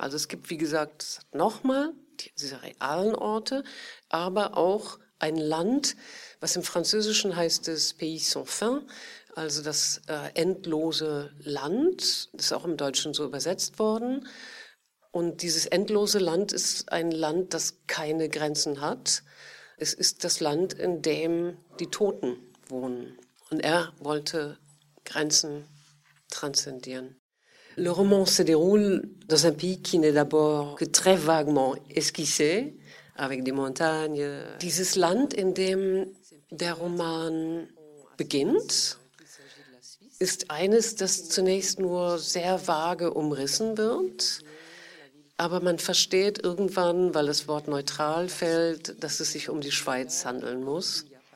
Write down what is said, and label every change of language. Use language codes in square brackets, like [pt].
[de] Also es gibt, wie gesagt, nochmal diese realen Orte, aber auch ein Land, was im Französischen heißt es Pays sans fin, also das endlose Land, ist auch im Deutschen so übersetzt worden. Und dieses endlose Land ist ein Land, das keine Grenzen hat. Es ist das Land, in dem die Toten wohnen. Und er wollte Grenzen transzendieren. [fr] Le roman se déroule dans un pays qui n'est d'abord que très vaguement esquissé, avec des montagnes. [de] Dieses Land, in dem der Roman beginnt, ist eines, das zunächst nur sehr vage umrissen wird. Aber man versteht irgendwann, weil das Wort neutral fällt, dass es sich um die Schweiz handeln muss.